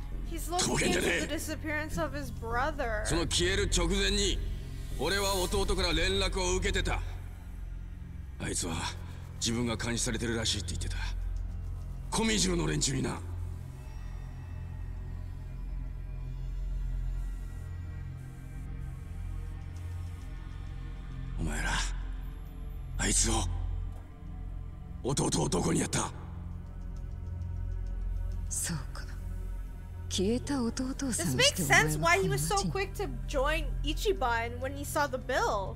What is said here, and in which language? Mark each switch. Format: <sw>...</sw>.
<en>He's looking into the disappearance of his brother.</en> <ja>その消える直前に、俺は弟から連絡を受けてた。あいつは自分が監視されてるらしいって言ってた。Geomijulの連中にな。お前ら、あいつを弟をどこにやった?そうか。消えた弟をさ。</ja> <en>This makes sense why he was so quick to join Ichiban when he saw the bill.</en>